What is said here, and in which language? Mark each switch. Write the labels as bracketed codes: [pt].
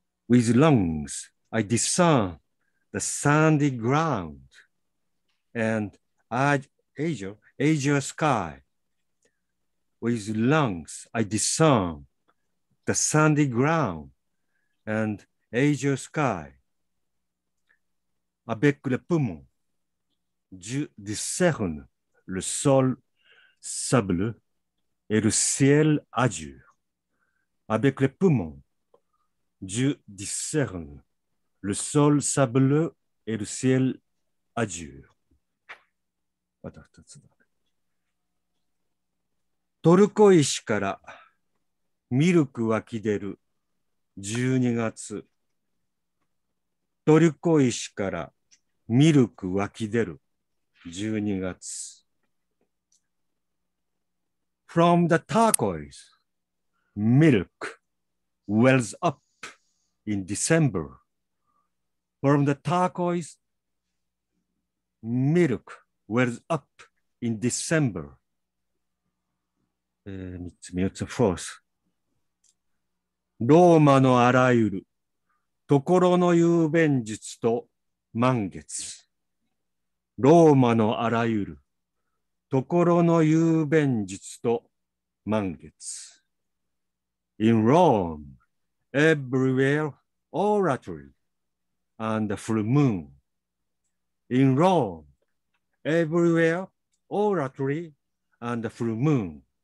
[en] With lungs, I discern the sandy ground and azure sky. With lungs, I discern the sandy ground and azure sky. [fr] Avec le poumon, je discerne le sol sableux et le ciel azur. Avec le poumon, je discerne le sol sableux et le ciel azur. [ja] トルコ石からミルク湧き出る12月。トルコ石からミルク湧き出る12月。 [en] From the turquoise, milk wells up in December. From the turquoise, milk wells up in December. [ja] 3つ、 [en] fourth. [ja] ローマのあらゆるところの雄弁術と満月。ローマのあらゆるところの雄弁術と満月。 [en] In Rome, everywhere oratory and the full moon. In Rome, everywhere oratory and the full moon.